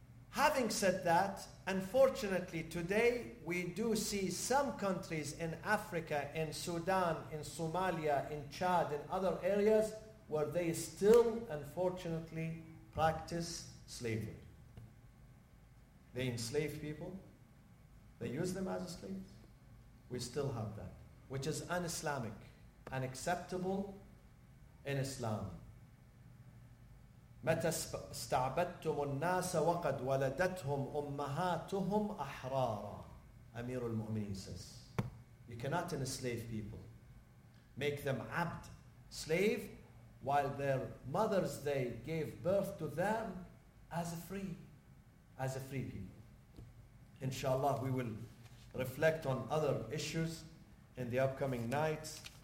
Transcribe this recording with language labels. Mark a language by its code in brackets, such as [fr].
[en] Having said that, unfortunately today we do see some countries in Africa, in Sudan, in Somalia, in Chad, in other areas where they still unfortunately practice slavery. They enslave people, they use them as slaves. We still have that, which is un-Islamic, unacceptable in Islam. [ar] متى استعبدتم الناس وقد ولدتهم أمهاتهم أحرارا. [en] أمير المؤمنين says, you cannot enslave people, make them abd, slave, while their mothers they gave birth to them as a free people. Inshallah, we will reflect on other issues in the upcoming nights.